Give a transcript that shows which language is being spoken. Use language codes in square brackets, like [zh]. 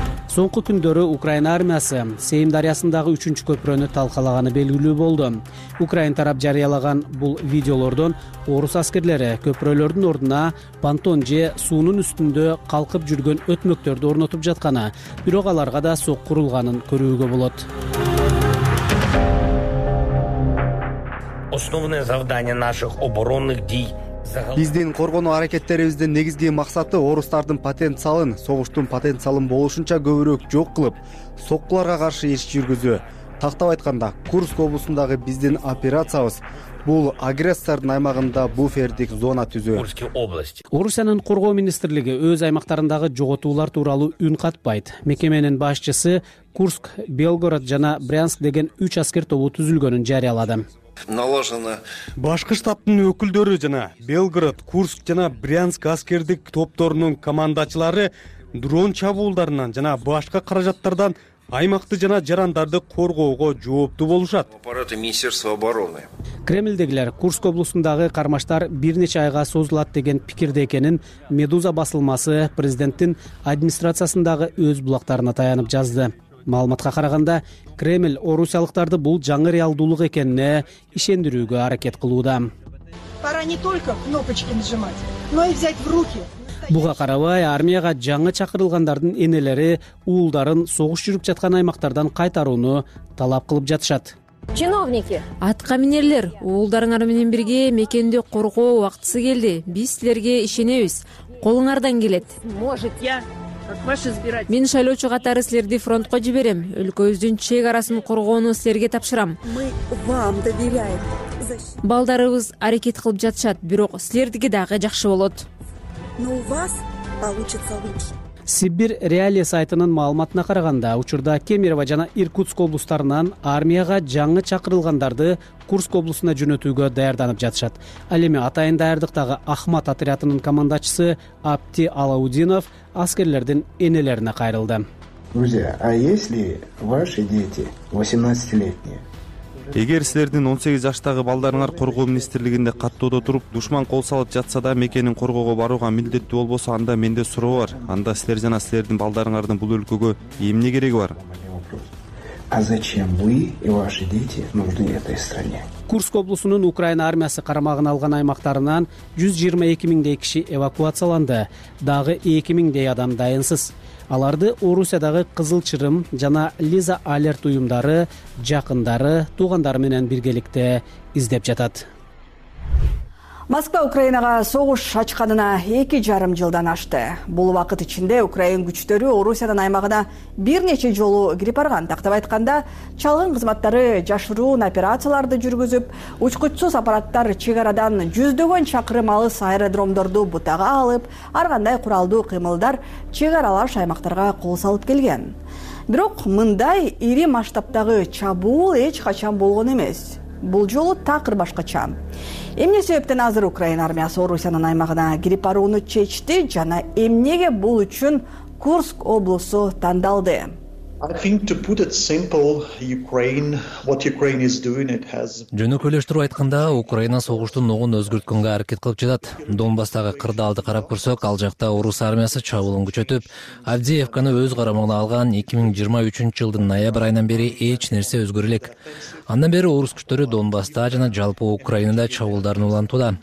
[ky] Соңку күндөрү Украин армиясы Сейм дарыясындагы 3-чү көпүрөнү талкалаганы белгилүү болду. Украин тарап жарыялаган бул видеолордон орус аскерлери көпүрөлөрдүн ордуна понтон же суунун үстүндө калкып жүргөн өтмөктөрдү орнотуп жатканы, бирок аларга да сокку урулганын көрүүгө болот. [ru] Основное задание наших оборонных действий. [ky] Биздин коргоно аракеттерибиздин негизги максаты орустардын потенциалын, согуштун потенциалын болушунча көбүрөөк жок кылып, соккуларга каршы иш жүргүзүү. Тактап айтканда, Курск облусундагы биздин операциябыз бул агрессордун аймагында буфердик зона түзүү. Орусиянын коргоо министрлиги өз аймактарындагы жоготуулар тууралуу үн катпайт. Мекеменин башчысы Курск, Белгород жана Брянск деген 3 аскер тобу түзүлгөнүн жарыялады. [ru] Налажена. [ky] Башкы штабтын өкүлдөрү жана Белгород, Курск жана Брянск аскердик топторунун командачылары дрон чабуулдарынан жана башка каражаттардан аймакты жана жарандарды коргоого жооптуу болушат. [ru] Аппараты Министерства обороны. [ky] Кремльдегилер Курск облусундагы кармаштар бир нече айга созулат деген пикирде экенин Медуза басылмасы президенттин администрациясындагы өз булактарына таянып жазды. Маалыматка караганда, Кремль орусиялыктарды бул жаңы реалдуулук экенине ишендирүүгө аракет кылууда. [ru] Пора не только кнопочки нажимать, но и взять в руки. [ky] Буга карабай, армияга жаңы чакырылгандардын энелери уулдарын согуш жүрүп жаткан аймактардан кайтарууну талап кылып жатышат. [ru] Чиновники, [ky] аткаминерлер, уулдарыңар менен бирге мекенди коргоо убактысы келди. Биз силерге ишенебиз. Колуңардан келет. [ru] Может, я [ky] Мен шайлоочу катары силерди фронтко жиберем. Өлкөбүздүн чек арасын коргоону силерге тапшырам. [ru] Мы вам доверяем. [ky] Балдарыбыз аракет кылып жатышат, бирок силердики дагы жакшы болот. [ru] Но у вас получится лучше. [ky] Сибирь Реалия сайтынын маалыматына караганда, учурда Кемерово жана Иркутск облустарынан армияга жаңы чакырылгандарды Курск облусуна жөнөтүүгө даярданып жатышат. Ал эми атайын даярдыктагы Ахмат отрядынын командачысы Апти Алаудинов аскерлердин энелерине кайрылды. [ru] Друзья, а если ваши дети 18-летние? [ky] Эгер силердин 18 жаштагы балдарыңар коргоо министрлигинде каттоодо туруп, душман кол салып жатса да мекенин коргоого барууга милдеттүү болбосо, анда менде суроо бар. Анда силер жана силердин балдарыңардын бул өлкөгө эмне кереги бар? [ru] А зачем вы и ваши дети нужны этой стране? [ky] Курск облусунун Украина армиясы карамагына алган аймактарынан 122 миңдей киши эвакуацияланды. Дагы 2 миңдей адам дайынсыз. Аларды Орусиядагы Кызыл Чырым жана Лиза Алерт уюмдары, жакындары, туугандары менен биргеликте издеп жатат. Москва Украинага согуш ачканына 2.5 жылдан ашты. Бул убакыт ичинде Украин күчтөрү Орусиянын аймагына бир нече жолу кирип барган. Тактап айтканда, чалгын кызматтары жашыруун операцияларды жүргүзүп, учкучсуз аппараттар чек арадан жүздөгөн чакырым алыс аэродромдорду бутага алып, ар кандай куралдуу кыймылдар чек аралаш аймактарга кол салып келген. Бирок мындай ири масштабтагы чабуул эч качан болгон эмес. Бул жолу такыр башкача. Эмне себептен азыр Украина армиясы Орусиянын аймагына кирип барууну чечти жана эмнеге бул үчүн Курск облусу тандалды? [en] I think to put it simple, Ukraine, what Ukraine is doing, it has. [ky] Жөнөкөйлөштүрүп айтканда, Украина согуштун ногун өзгөрткөнгө аракет кылып жатат. Донбасстагы кырдаалды карап көрсөк, ал жакта орус армиясы чабуулун күчөтүп, Авдеевканы өз карамагына алган 2023 жылдын ноябрь айынан бери эч нерсе өзгөрө элек. Андан бери орус күчтөрү Донбасста жана жалпы Украинада чабуулдарын улантууда.